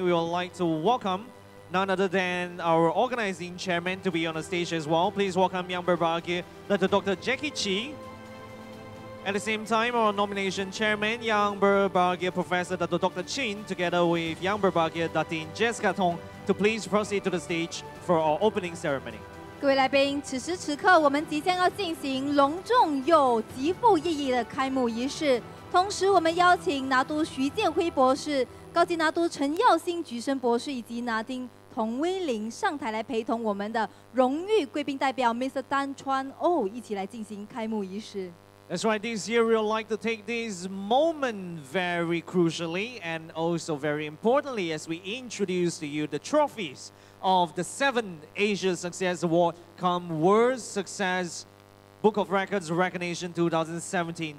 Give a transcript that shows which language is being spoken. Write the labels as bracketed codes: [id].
[en] We would like to welcome none other than our organizing chairman to be on the stage as well. Please welcome Yang Berbahagia, Dr. Jackie Chi. At the same time, our nomination chairman, Yang Berbahagia, Professor Dr. Chin, together with Yang Berbahagia, Datin Jessica Tong, to please proceed to the stage for our opening ceremony. [zh] 各位来宾，此时此刻，我们即将要进行隆重又极富意义的开幕仪式。同时，我们邀请拿督徐建辉博士、高级拿督陈耀兴菊生博士以及拿丁童威林上台来陪同我们的荣誉贵宾代表Mr. Dan Chuan Oh一起来进行开幕仪式。 [en] That's right, this year we'd like to take this moment very crucially and also very importantly as we introduce to you the trophies of the 7th Asia Success Award cum World Success Book of Records Recognition 2017.